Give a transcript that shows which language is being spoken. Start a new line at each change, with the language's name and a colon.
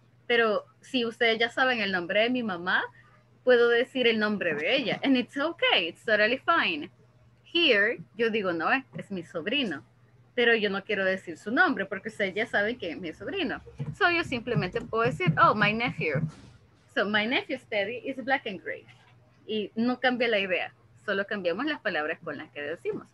Spanish: Pero si ustedes ya saben el nombre de mi mamá, puedo decir el nombre de ella.
English: And it's okay, it's totally fine. Here,
Spanish: yo digo, no, es mi sobrino. Pero yo no quiero decir su nombre, porque ustedes ya saben que es mi sobrino. So yo simplemente puedo decir,
English: oh, my nephew. So my nephew's Teddy is black and gray.
Spanish: Y no cambia la idea. Solo cambiamos las palabras con las que decimos.